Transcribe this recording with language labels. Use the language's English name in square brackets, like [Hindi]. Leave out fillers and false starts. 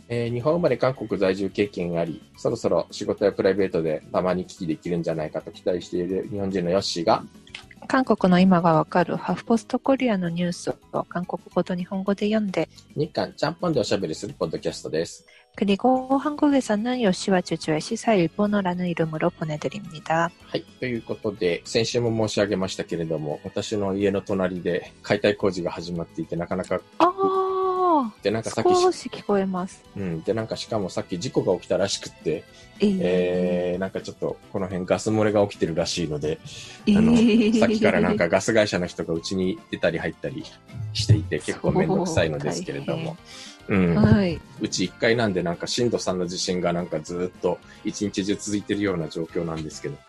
[Japanese] 日本生まれ韓国在住経験があり、そろそろ仕事やプライベートでたまに聞きできるんじゃないかと期待している日本人のヨッシーが、韓国の今がわかるハフポストコリアのニュースを韓国語と日本語で読んで、日韓ちゃんぽんでおしゃべりするポッドキャストです。 [Korean] 그리고한국에서는요시와주주의시사일본어라는이름으로보내드립니다。 [Japanese] はい、ということで先週も申し上げましたけれども、私の家の隣で解体工事が始まっていて、なかなか、ああ、でなんかさっき少し聞こえます。うん、でなんかしかもさっき事故が起きたらしくって、なんかちょっとこの辺ガス漏れが起きてるらしいので、さっきからなんかガス会社の人がうちに出たり入ったりしていて、結構めんどくさいのですけれども、うち1階なんで、なんか震度3の地震がなんかずっと1日中続いてるような状況なんですけど、